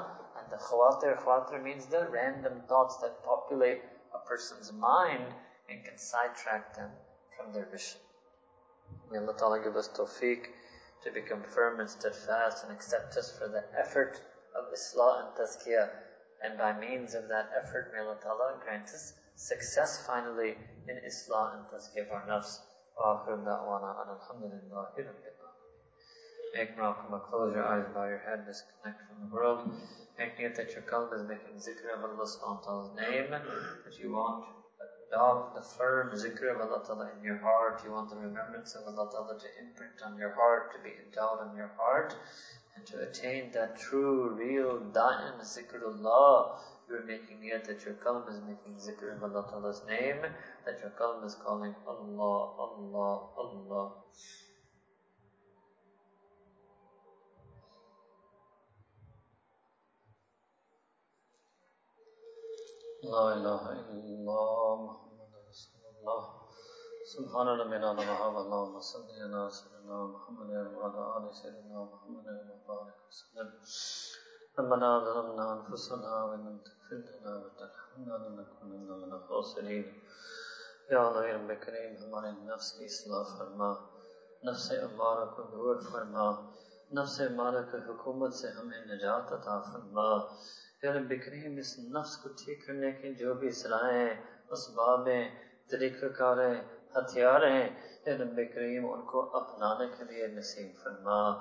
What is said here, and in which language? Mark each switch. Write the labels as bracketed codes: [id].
[en] And the khawatir, khawatir means the random thoughts that populate a person's mind and can sidetrack them from their vision. May Allah Ta'ala give us tawfiq to become firm and steadfast and accept us for the effort of islah and tazkiyah. And by means of that effort, may Allah Ta'ala grant us success finally in islah and tazkiyah of our nafs. [ar] وآخر دعوانا أن الحمد لله رب العالمين. [en] Make muraqabah, close your eyes, bow your head, disconnect from the world. Make niyat that your qalb is making zikr of Allah subhanahu wa ta'ala's name, that you want the firm zikr of Allah ta'ala in your heart, you want the remembrance of Allah ta'ala to imprint on your heart, to be endowed in your heart, and to attain that true, real da'im zikrullah, you're making niyat that your qalb is making zikr of Allah Ta'ala's name, that your qalb is calling Allah, Allah, Allah. [ar] La ilaha illallah Muhammad Rasulullah. Subhanallah min ala mahaballah wa salli ala sayyidina Muhammad wa ala ali sayyidina Muhammad wa barik wa sallam. ربنا ظلمنا أنفسنا وإن لم تغفر لنا وترحمنا لنكونن من الخاسرين. [ur] يا الله يا رب الكريم همار النفس إصلاح فرما نفس أمارة کو دور فرما نفس أمارة کو حکومت سے ہمیں نجات عطا فرما يا رب الكريم اس نفس کو ٹھیک کرنے کے جو بھی سلائیں اسبابیں طریقہ کاریں ہتھیار ہیں اے رب کریم ان کو اپنانے کے لیے نصیب فرما